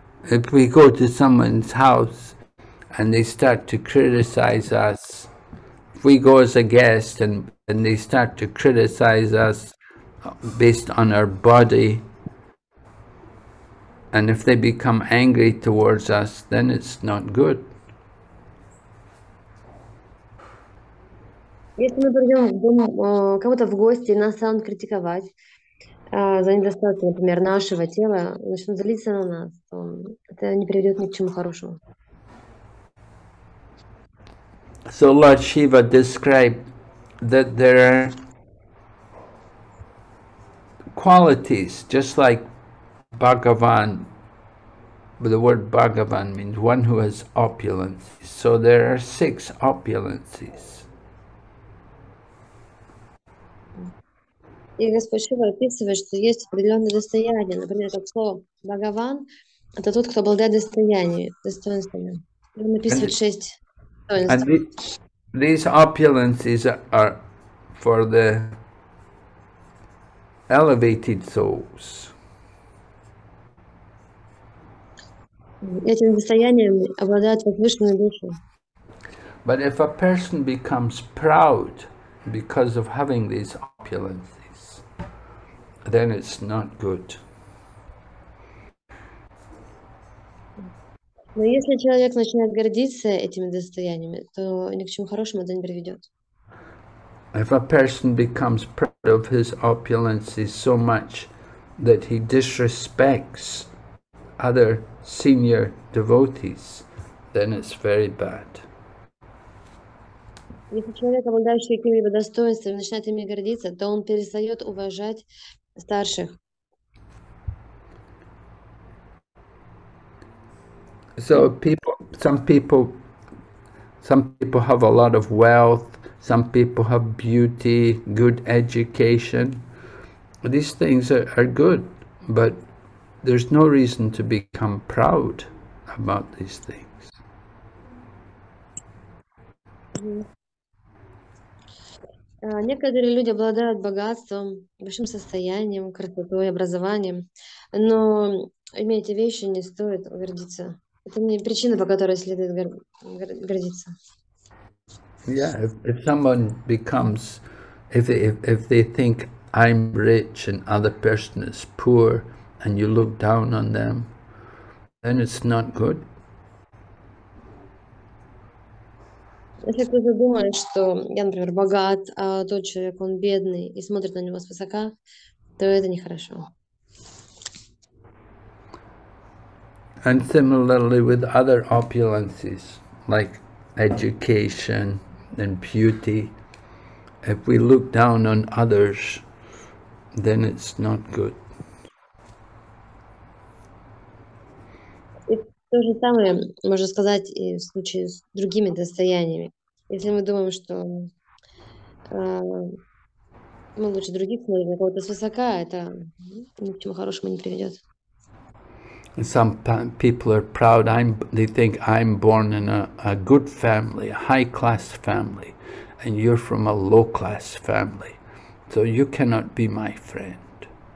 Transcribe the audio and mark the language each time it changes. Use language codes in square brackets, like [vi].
[en] If we go to someone's house and they start to criticize us, if we go as a guest and they start to criticize us based on our body, and if they become angry towards us, then it's not good. [ru] Если мы придем в дом, кого-то в гости, нас станут критиковать за недостатки, например, нашего тела, начнут злиться на нас, то это не приведет ни к чему хорошему. [en] So Lord Shiva described that there are qualities, just like Bhagavan, the word Bhagavan means one who has opulence. So there are six opulences. [ru] И Господь Шива описывает, что есть определенные достояния. Например, как слово «Бхагаван» — это тот, кто обладает достоинствами. Он описывает шесть достоинств. [en] And these opulences are for the elevated souls. [ru] Этим достоянием обладают возвышенные души. [en] But if a person becomes proud because of having these opulences, then it's not good. [ru] Но если человек начинает гордиться этими достояниями, то ни к чему хорошему это не приведет. [en] If a person becomes proud of his opulence so much that he disrespects other senior devotees, then it's very bad. [ru] Если человек, обладающий какими-либо достоинствами, начинает ими гордиться, то он перестает уважать старших. [en] So some people have a lot of wealth, some people have beauty, good education. These things are good, but there's no reason to become proud about these things. [ru] Некоторые люди обладают богатством, большим состоянием, красотой, образованием, но имея эти вещи, не стоит гордиться. Это не причина, по которой следует гордиться. [en] Yeah, if someone becomes, if they think I'm rich and other person is poor, and you look down on them, then it's not good. [ru] Если кто-то думает, что я, например, богат, а тот человек, он бедный, и смотрит на него свысока, то это нехорошо. [en] And similarly with other opulences, like education and beauty, if we look down on others, then it's not good. [ru] И то же самое можно сказать и в случае с другими достояниями. Если мы думаем, что мы лучше других смотрим, кого-то свысока, это ни к чему хорошему не приведет. [en] Some people are proud. They think I'm born in a good family, a high class family, and you're from a low class family, so you cannot be my friend.